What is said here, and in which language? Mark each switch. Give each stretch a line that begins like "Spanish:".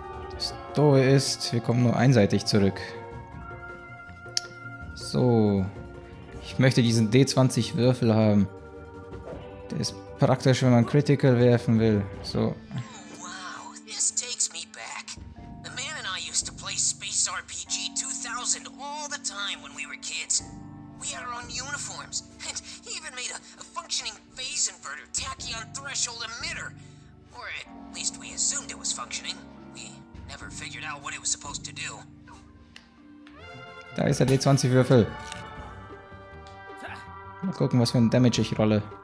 German: Das Tor ist, wir kommen nur einseitig zurück. So. Ich möchte diesen D20-Würfel haben. Der ist praktisch, wenn man Critical werfen will. So.
English: Wow, this takes me back. The man and I used to play Space RPG 2000 all the time when we were kids. We had our own uniforms. And he even made a functioning phase inverter, tachyon threshold emitter. Or at least we assumed it was functioning. We never figured out what it was supposed to do.
German: Da ist der D20-Würfel. Mal gucken, was für ein Damage ich rolle.